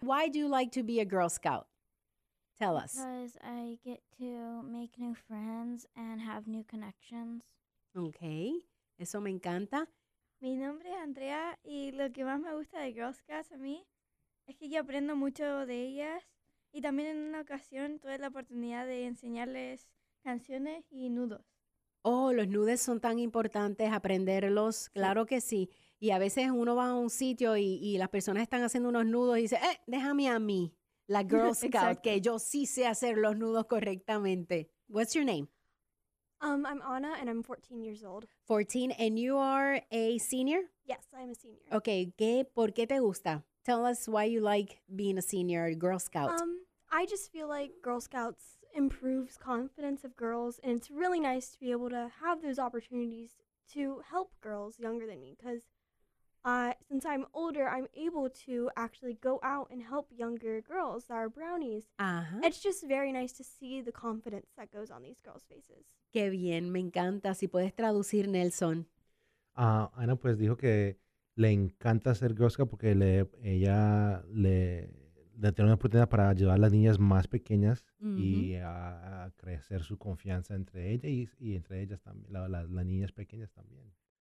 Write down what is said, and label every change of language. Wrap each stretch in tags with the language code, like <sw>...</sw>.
<en>Why do you like to be a Girl Scout? Tell us. Because I get to make new friends and have new connections.</en> <es>Okay, eso me encanta. Mi nombre es Andrea y lo que más me gusta de Girl Scouts a mí es que yo aprendo mucho de ellas y también en una ocasión tuve la oportunidad de enseñarles canciones y nudos. Oh, los nudos son tan importantes, aprenderlos, sí. Claro que sí. Y a veces uno va a un sitio y las personas están haciendo unos nudos y dice, déjame a mí. La Girl Scout, que yo sí sé hacer los nudos correctamente.</es> <en>What's your name? I'm Anna, and I'm 14 years old. 14, and you are a senior? Yes, I'm a senior.</en> <es>Okay, ¿por qué te gusta?</es> <en>Tell us why you like being a senior Girl Scout. I just feel like Girl Scouts improves confidence of girls, and it's really nice to be able to have those opportunities to help girls younger than me, because since I'm older, I'm able to actually go out and help younger girls that are brownies. Uh-huh. It's just very nice to see the confidence that goes on these girls' faces.</en> <es>Qué bien, me encanta. Si puedes traducir, Nelson. Ana pues dijo que le encanta ser Girl Scout porque ella le tiene una oportunidad para ayudar a las niñas más pequeñas y a crecer su confianza entre ellas y entre ellas también, las niñas pequeñas también.</es>